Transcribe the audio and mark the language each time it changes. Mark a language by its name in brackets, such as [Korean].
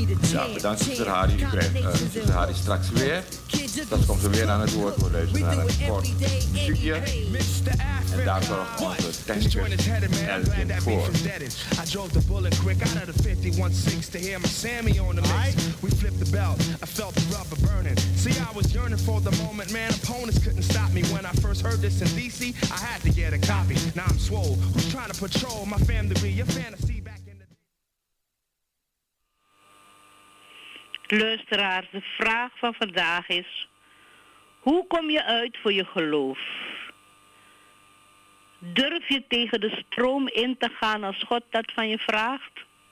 [Dutch] Ja, bedankt zuster Hari. U krijgt zuster Hari straks weer. Dat komt ze weer aan het woord. We luisteren naar een kort muziekje. En daar zorgt onze technicus Elvin voor. [English] I drove the bullet quick out of the 51-6 to hear my Sammy on the mix. We flipped the belt, I felt the rubber burning. See, I was yearning for the moment, man. Opponents couldn't stop me. When I first heard this in DC, I had to get a copy. Now I'm swole, who's trying to patrol my family? Your fantasy back. [Dutch] Luisteraars, de vraag van vandaag is, hoe kom je uit voor je geloof? Durf je tegen de stroom in te gaan als God dat van je vraagt?